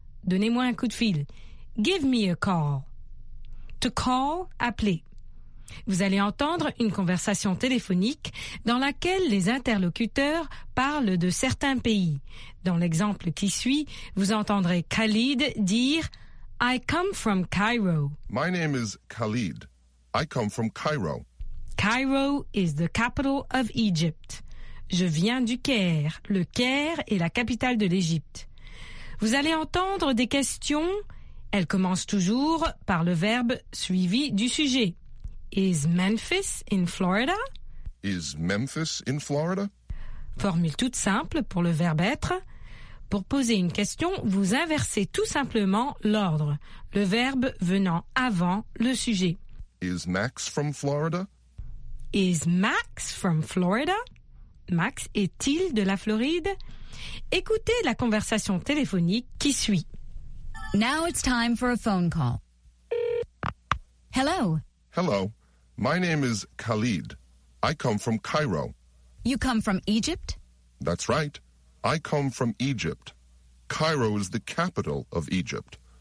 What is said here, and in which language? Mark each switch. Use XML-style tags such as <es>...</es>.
<fr>Donnez-moi un coup de fil.</fr> <en>Give me a call. To call,</en> <fr>appeler. Vous allez entendre une conversation téléphonique dans laquelle les interlocuteurs parlent de certains pays. Dans l'exemple qui suit, vous entendrez Khalid dire «</fr> <en>I come from Cairo ». My name is Khalid. I come from Cairo. Cairo is the capital of Egypt.</en> <fr>Je viens du Caire. Le Caire est la capitale de l'Égypte. Vous allez entendre des questions. Elles commencent toujours par le verbe suivi du sujet.</fr> <en>Is Memphis in Florida? Is Memphis in Florida?</en> <fr>Formule toute simple pour le verbe être. Pour poser une question, vous inversez tout simplement l'ordre, le verbe venant avant le sujet.</fr> <en>Is Max from Florida? Is Max from Florida?</en> <fr>Max est-il de la Floride? Écoutez la conversation téléphonique qui suit.</fr> <en>Now it's time for a phone call. Hello. Hello. My name is Khalid. I come from Cairo. You come from Egypt? That's right. I come from Egypt. Cairo is the capital of Egypt.</en>